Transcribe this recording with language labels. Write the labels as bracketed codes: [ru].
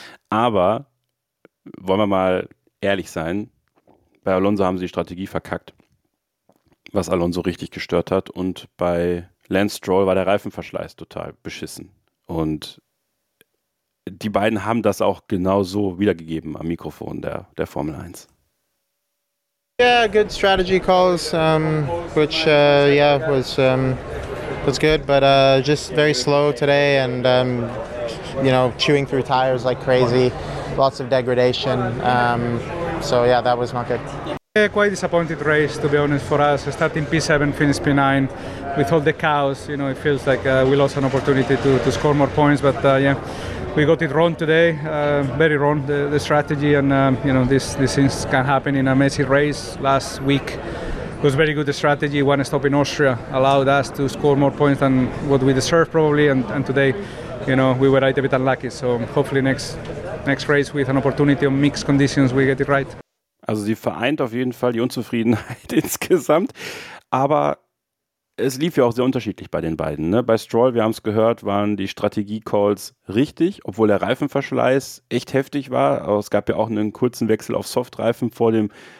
[de] Aber, wollen wir mal ehrlich sein, bei Alonso haben sie die Strategie verkackt, was Alonso richtig gestört hat und bei Lance Stroll war der Reifenverschleiß total beschissen und die beiden haben das auch genau so wiedergegeben am Mikrofon der Formel 1. [en] Yeah, good strategy calls, which was good, but just very slow today and you know, chewing through tires like crazy, lots of degradation. So yeah, that was not good. Yeah, quite a disappointed race to be honest for us. Starting P7, finish P9, with all the chaos, you know, it feels like we lost an opportunity to score more points, but yeah. We got it wrong today, very wrong, the strategy, and you know, these things can happen in a messy race. Last week was very good, the strategy, one stop in Austria allowed us to score more points than what we deserve probably, and today, you know, we were right a bit unlucky, so hopefully next race with an opportunity on mixed conditions we get it right. [de] Also sie vereint auf jeden Fall die Unzufriedenheit insgesamt, aber es lief ja auch sehr unterschiedlich bei den beiden. Ne? Bei Stroll, wir haben es gehört, waren die Strategie-Calls richtig, obwohl der Reifenverschleiß echt heftig war. Aber es gab ja auch einen kurzen Wechsel auf Soft-Reifen vor dem